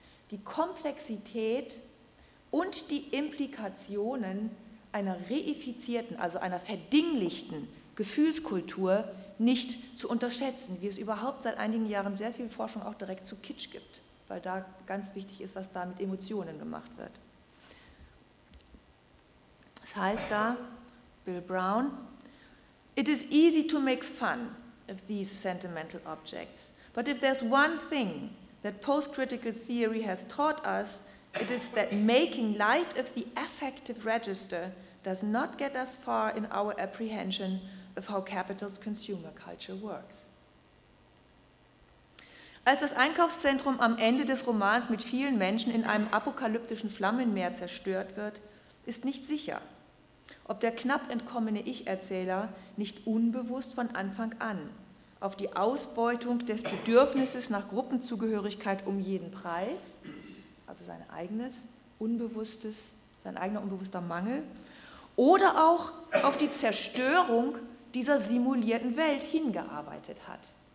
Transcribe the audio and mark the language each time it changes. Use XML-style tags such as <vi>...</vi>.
<de>die Komplexität und die Implikationen einer reifizierten, also einer verdinglichten Gefühlskultur nicht zu unterschätzen, wie es überhaupt seit einigen Jahren sehr viel Forschung auch direkt zu Kitsch gibt, weil da ganz wichtig ist, was da mit Emotionen gemacht wird. Das heißt da,</de> <en>Bill Brown, it is easy to make fun of these sentimental objects, but if there's one thing that post-critical theory has taught us, it is that making light of the affective register does not get us far in our apprehension of how capital's consumer culture works.</en> <de>Als das Einkaufszentrum am Ende des Romans mit vielen Menschen in einem apokalyptischen Flammenmeer zerstört wird, ist nicht sicher, ob der knapp entkommene Ich-Erzähler nicht unbewusst von Anfang an auf die Ausbeutung des Bedürfnisses nach Gruppenzugehörigkeit um jeden Preis, also sein eigenes unbewusstes, sein eigener unbewusster Mangel, oder auch auf die Zerstörung dieser simulierten Welt hingearbeitet hat.</de>